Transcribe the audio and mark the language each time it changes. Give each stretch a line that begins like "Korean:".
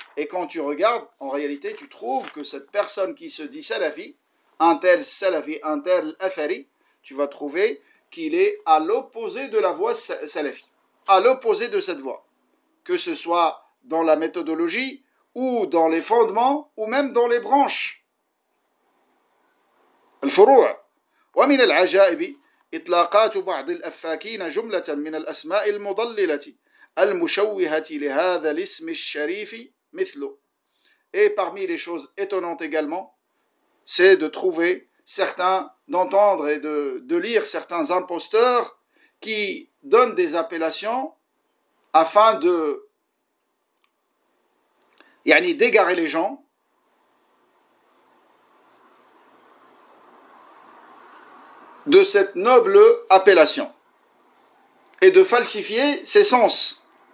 French: Et quand tu regardes, en réalité, tu trouves que cette personne qui se dit salafi, un tel affari, tu vas trouver qu'il est à l'opposé de la voie salafi, à l'opposé de cette voie, que ce soit dans la méthodologie, ou dans les fondements, ou même dans les branches.
Arabic: الفروع ومن العجائب إطلاقات بعض الأفاكين جملة من الأسماء المضللة المشوهة لهذا الاسم الشريف مثله.
French: Et parmi les choses étonnantes également, c'est de trouver certains, d'entendre et de lire certains imposteurs qui donnent des appellations afin de يعني d'égarer les gens de cette noble appellation et de falsifier ses sens.